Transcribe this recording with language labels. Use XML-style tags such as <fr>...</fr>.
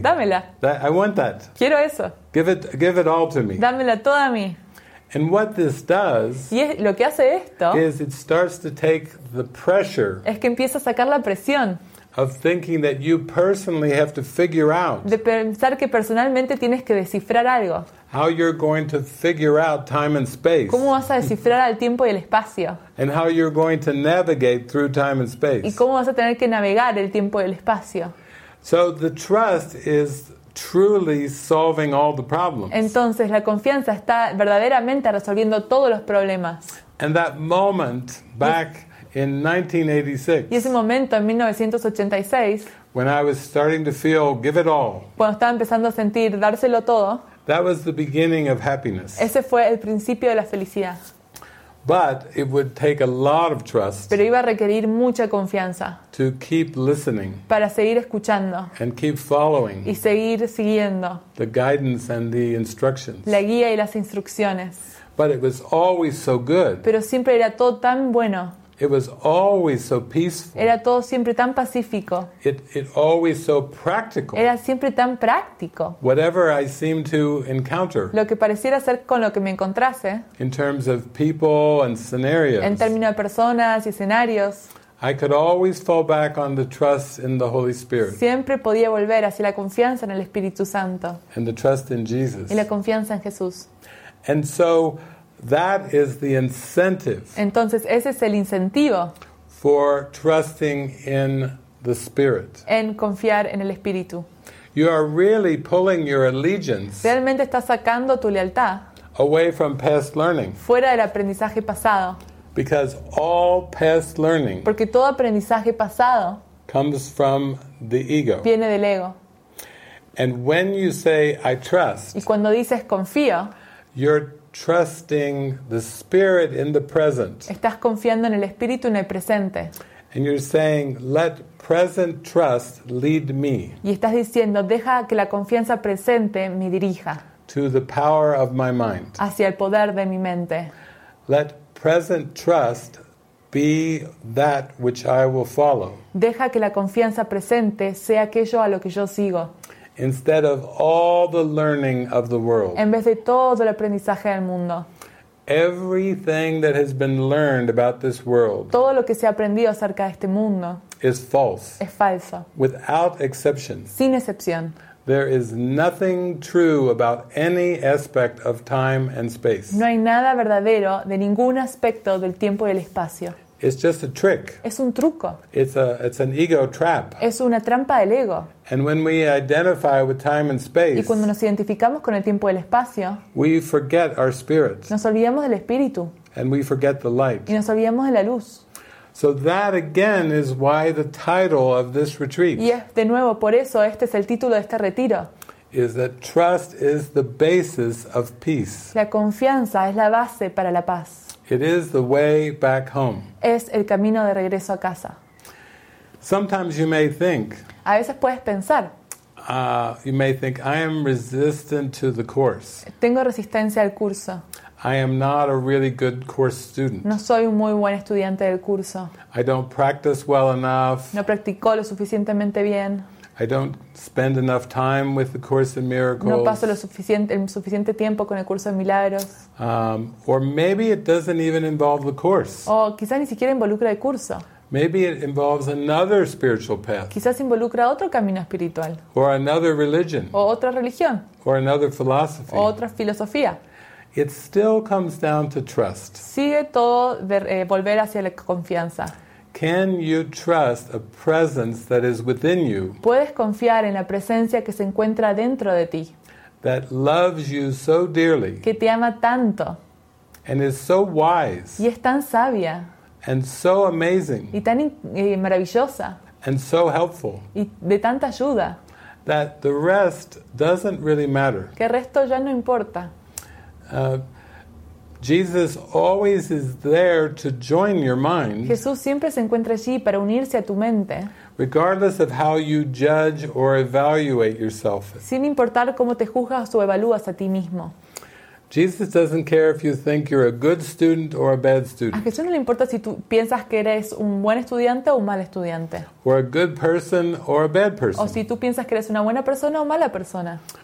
<es>Dámela.</es> <en>I want that.</en> <es>Quiero eso.</es> <en>Give it all to me.</en> <es>Dámela toda a mí.</es> <en>And what this does</en> <es>lo que hace esto</es> <en>is it starts to take the pressure.</en> <es>Es que empieza a sacar la presión.</es> <en>Of thinking that you personally have to figure out.</en> <es>De pensar que personalmente tienes que descifrar algo.</es> <en>How you're going to figure out time and space.</en> <es>¿Cómo vas a descifrar el tiempo y el espacio?</es> <en>And how you're going to navigate through time and space.</en> <es>¿Y cómo vas a tener que navegar el tiempo y el espacio?</es> <en>So the trust is truly solving all the problems.</en> <es>Entonces la confianza está verdaderamente resolviendo todos los problemas.</es> <en>And that moment back in 1986.</en> <es>Y ese momento en 1986.</es> <en>When I was starting to feel give it all.</en> <es>Cuando estaba empezando a sentir dárselo todo.</es> <en>That was the beginning of happiness.</en> <es>Ese fue el principio de la felicidad.</es> <en>But it would take a lot of trust.</en> <es>Pero iba a requerir mucha confianza.</es> <en>To keep listening.</en> <es>Para seguir escuchando.</es> <en>And keep following.</en> <es>Y seguir siguiendo.</es> <en>The guidance and the instructions.</en> <es>La guía y las instrucciones.</es> <en>But it was always so good.</en> <es>Pero siempre era todo tan bueno.</es> <en>It was always so peaceful.</en> <es>Era todo siempre tan pacífico.</es> <en>It always so practical.</en> <es>Era siempre tan práctico.</es> <en>Whatever I seemed to encounter.</en> <es>Lo que pareciera ser con lo que me encontrase.</es> <en>In terms of people and scenarios.</en> <es>En términos de personas y escenarios.</es> <en>I could always fall back on the trust in the Holy Spirit.</en> <es>Siempre podía volver hacia la confianza en el Espíritu Santo.</es> <en>And the trust in Jesus.</en> <es>Y la confianza en Jesús.</es> <en>And so that is the incentive.</en> <es>Entonces ese es el incentivo.</es> <en>For trusting in the Spirit.</en> <es>En confiar en el Espíritu.</es> <en>You are really pulling your allegiance.</en> <es>Realmente estás sacando tu lealtad.</es> <en>Away from past learning.</en> <es>Fuera del aprendizaje pasado.</es> <en>Because all past learning.</en> <es>Porque todo aprendizaje pasado.</es> <en>comes from the ego.</en> <es>Viene del ego.</es> <en>And when you say I trust,</en> <es>y cuando dices confío,</es> <en>you're trusting the spirit in the present.</en> <es>Estás confiando en el espíritu en el presente.</es> <en>And you're saying let present trust lead me.</en> <es>Y estás diciendo deja que la confianza presente me dirija.</es> <en>To the power of my mind.</en> <es>Hacia el poder de mi mente.</es> <en>Let present trust be that which I will follow.</en> <es>Deja que la confianza presente sea aquello a lo que yo sigo.</es> <en>Instead of all the learning of the world.</en> <es>En vez de todo el aprendizaje del mundo.</es> <en>Everything that has been learned about this world.</en> <es>Todo lo que se ha aprendido acerca de este mundo.</es> <en>Is false.</en> <es>Es falso.</es> <en>Without exception.</en> <es>Sin excepción.</es> <en>There is nothing true about any aspect of time and space.</en> <es>No hay nada verdadero de ningún aspecto del tiempo y el espacio.</es> <en>It's just a trick.</en> <es>Es un truco.</es> <en>It's an ego trap.</en> <es>Es una trampa del ego.</es> <en>And when we identify with time and space,</en> <es>y cuando nos identificamos con el tiempo y el espacio,</es> <en>we forget our spirit.</en> <es>Nos olvidamos del espíritu.</es> <en>And we forget the light.</en> <es>Y nos olvidamos de la luz.</es> <en>So that again is why the title of this retreat.</en> <es>Y es, de nuevo, por eso este es el título de este retiro.</es> <en>Is that trust is the basis of peace.</en> <es>La confianza es la base para la paz.</es> <en>It is the way back home.</en> <es>Es el camino de regreso a casa.</es> <en>Sometimes you may think.</en> <es>A veces puedes pensar.</es> <en>You may think I am resistant to the course.</en> <es>Tengo resistencia al curso.</es> <en>I am not a really good course student.</en> <es>No soy un muy buen estudiante del curso.</es> <en>I don't practice well enough.</en> <es>No practico lo suficientemente bien.</es> <en>I don't spend enough time with the Course in Miracles.</en> <es>No paso el suficiente tiempo con el curso de milagros.</es> <en>Or maybe it doesn't even involve the course.</en> <es>O quizás ni siquiera involucra el curso.</es> <en>Maybe it involves another spiritual path.</en> <es>Quizás involucra otro camino espiritual.</es> <en>Or another religion.</en> <es>O otra religión.</es> <en>Or another philosophy.</en> <es>O otra filosofía.</es> <en>It still comes down to trust.</en> <es>Sigue todo de volver hacia la confianza.</es> <en>Can you trust a presence that is within you?</en> <es>¿Puedes confiar en la presencia que se encuentra dentro de ti?</es> <en>That loves you so dearly.</en> <es>Que te ama tanto.</es> <en>And is so wise.</en> <es>Y es tan sabia.</es> <en>And so amazing.</en> <es>Y tan maravillosa.</es> <en>And so helpful.</en> <es>Y de tanta ayuda.</es> <en>That the rest doesn't really matter.</en> <es>Que el resto ya no importa.</es> <en>Jesus always is there to join your mind.</en> <es>Jesús siempre se encuentra allí para unirse a tu mente.</es> <en>Regardless of how you judge or evaluate yourself.</en> <es>Sin importar cómo te juzgas o evalúas a ti mismo.</es> <en>Jesus doesn't care if you think you're a good student or a bad student.</en> <es>A Jesús no le importa si tú piensas que eres un buen estudiante o un mal estudiante.</es> <en>Or a good person or a bad person.</en> <es>O si tú piensas que eres una buena persona o mala persona.</es>